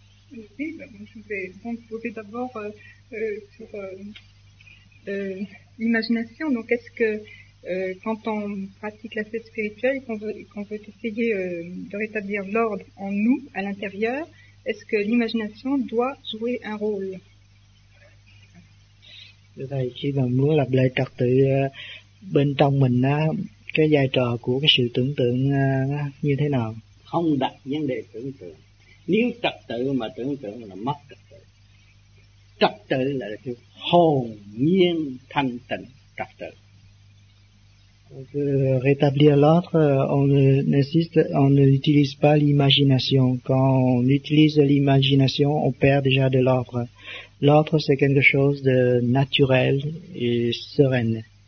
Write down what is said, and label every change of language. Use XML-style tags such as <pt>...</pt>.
<fr>Oui, je vais d'abord sur l'imagination. Donc est-ce que quand on pratique la fête spirituelle, qu'on veut essayer de rétablir l'ordre en nous, à l'intérieur, est-ce que l'imagination doit jouer un rôle?</fr> <vi>Thầy, khi mà muốn lập lại trật tự bên trong mình, cái vai trò của cái sự tưởng tượng như thế nào? Không đặt vấn đề tưởng tượng. Nếu trật tự mà tưởng tượng là mất trật tự. Trật tự là cái hồn nhiên thanh tịnh trật tự.</vi> <fr>Rétablir l'ordre, on n'utilise pas l'imagination. Quand on utilise l'imagination, on perd déjà de l'ordre. L'ordre, c'est quelque chose de naturel et serein.</fr>